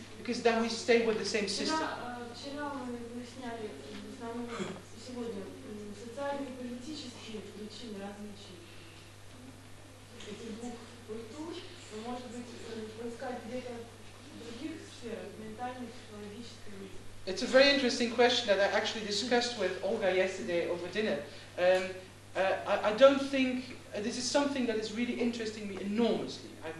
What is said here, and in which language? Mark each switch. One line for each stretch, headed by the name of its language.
English: Because then we stay with the same system.
Russian: Вчера мы выясняли основные сегодня социальные и политические причины различий этих двух культур. Но может быть поискать где-то в других сферах, ментальных, психологических.
English: It's a very interesting question that I actually discussed with Olga yesterday over dinner. I don't think this is something that is really interesting me enormously.